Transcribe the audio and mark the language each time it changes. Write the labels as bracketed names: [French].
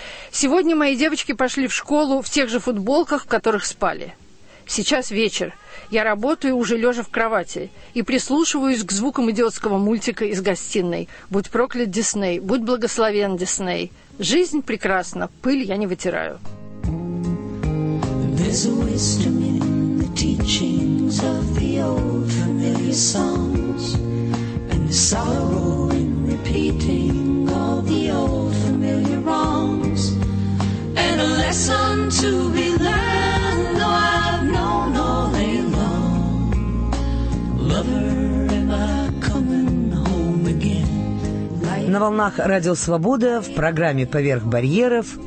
[Russian] Сегодня мои девочки пошли в школу в тех же футболках, в которых спали. Сейчас вечер. Я работаю, уже лежа в кровати, и прислушиваюсь к звукам идиотского мультика из гостиной. Будь проклят, Дисней, будь благословен, Дисней. Жизнь прекрасна, пыль я не вытираю». [English] There's a wisdom in the teachings of the old familiar songs, and the sorrow in repeating all the old familiar wrongs, and a lesson to be learned, though I've known all day long. Lover, am I coming home again? [Russian] На волнах Радио Свобода в программе «Поверх барьеров»